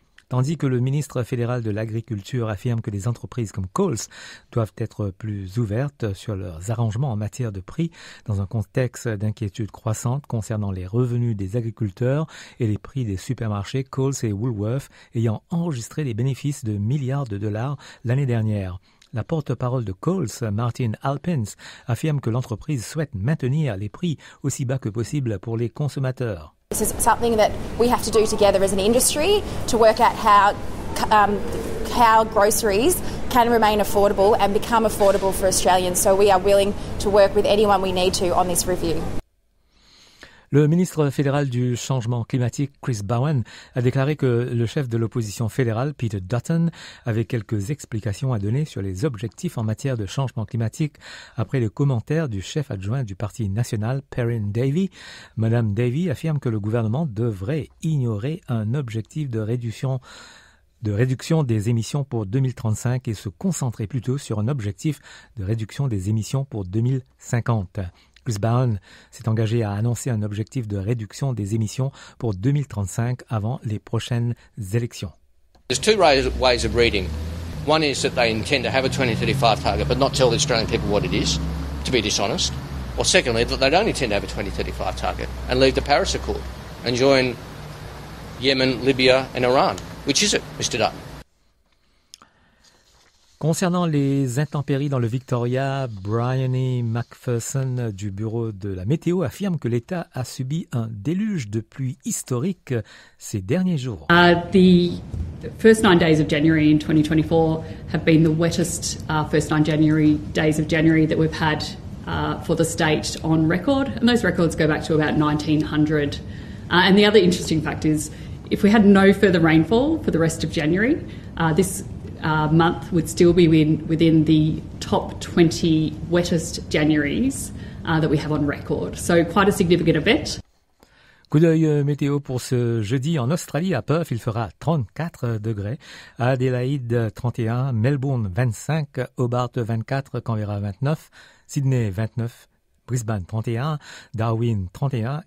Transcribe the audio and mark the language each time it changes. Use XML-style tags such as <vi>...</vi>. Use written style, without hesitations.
<fr>Tandis que le ministre fédéral de l'Agriculture affirme que des entreprises comme Coles doivent être plus ouvertes sur leurs arrangements en matière de prix dans un contexte d'inquiétude croissante concernant les revenus des agriculteurs et les prix des supermarchés, Coles et Woolworths ayant enregistré des bénéfices de milliards de dollars l'année dernière. La porte-parole de Coles, Martin Alpens, affirme que l'entreprise souhaite maintenir les prix aussi bas que possible pour les consommateurs.</fr> <en>This is something that we have to do together as an industry to work out how groceries can remain affordable and become affordable for Australians. So we are willing to work with anyone we need to on this review.</en> <fr>Le ministre fédéral du changement climatique, Chris Bowen, a déclaré que le chef de l'opposition fédérale, Peter Dutton, avait quelques explications à donner sur les objectifs en matière de changement climatique après le commentaire du chef adjoint du Parti national, Perrin Davey. Madame Davey affirme que le gouvernement devrait ignorer un objectif de réduction des émissions pour 2035 et se concentrer plutôt sur un objectif de réduction des émissions pour 2050. Chris Bowen s'est engagé à annoncer un objectif de réduction des émissions pour 2035 avant les prochaines élections.</fr> <en>There's two ways of reading. One is that they intend to have a 2035 target, but not tell the Australian people what it is, to be dishonest. Or secondly, that they don't intend to have a 2035 target and leave the Paris Accord and join Yemen, Libya and Iran. Which is it, Mr. Dutton?</en> <fr>Concernant les intempéries dans le Victoria, Bryony McPherson du bureau de la météo affirme que l'État a subi un déluge de pluie historique ces derniers jours.</fr> <en>The first 9 days of January in 2024 have been the wettest first 9 January days of January that we've had for the state on record, and those records go back to about 1900. And the other interesting fact is, if we had no further rainfall for the rest of January, this month would still be within the top 20 wettest Januaries that we have on record. So quite a significant event.</en> <fr>Coup d'œil météo pour ce jeudi en Australie. À Perth, il fera 34 degrés. À Adélaïde, 31. Melbourne, 25. Hobart, 24. Canberra, 29. Sydney, 29. Brisbane, 31. Darwin, 31.</fr>